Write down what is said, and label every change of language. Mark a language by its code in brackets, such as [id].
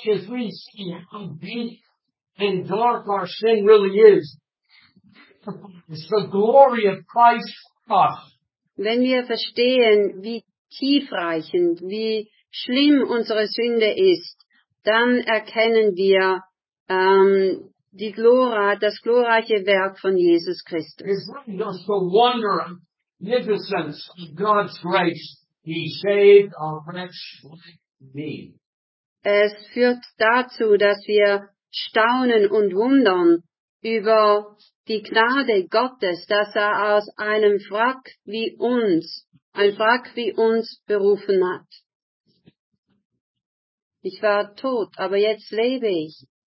[de] Wenn wir verstehen, wie tiefreichend, wie schlimm unsere Sünde ist, dann erkennen wir das glorreiche Werk von Jesus Christus. [en] It's the wonder and magnificence of God's grace. He saved a wretch like me. [de] Es führt dazu, dass wir staunen und wundern über die Gnade Gottes, dass er aus einem Wrack wie uns, berufen hat. Ich war tot, aber jetzt lebe ich.